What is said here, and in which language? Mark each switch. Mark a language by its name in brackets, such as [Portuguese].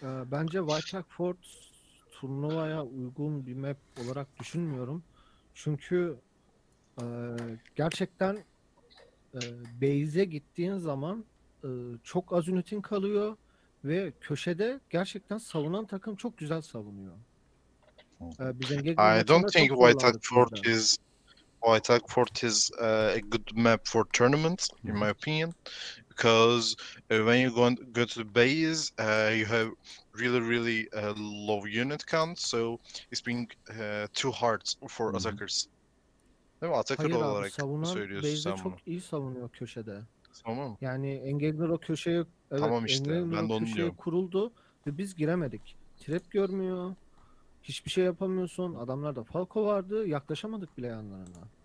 [Turkish] Bence White Elk Fort turnuvaya uygun bir map olarak düşünmüyorum. Çünkü gerçekten base'e gittiğin zaman çok az ünitin kalıyor ve köşede gerçekten savunan takım çok güzel savunuyor. [English] I don't think White Elk Fort is White Elk Fort is a good map for tournaments in my opinion. Because when you go to the base, you have really, really low unit count, so it's been too hard for attackers. [Turkish] Değil mi? Attacker olarak söylüyorsun. Hayır abi, savunan base'de çok iyi savunuyor köşede. Tamam. Yani engelliler o köşeye, tamam işte, ben de onu köşeye diyorum. Kuruldu ve biz giremedik. Trap görmüyor, hiçbir şey yapamıyorsun, adamlarda Falco vardı, yaklaşamadık bile yanlarına.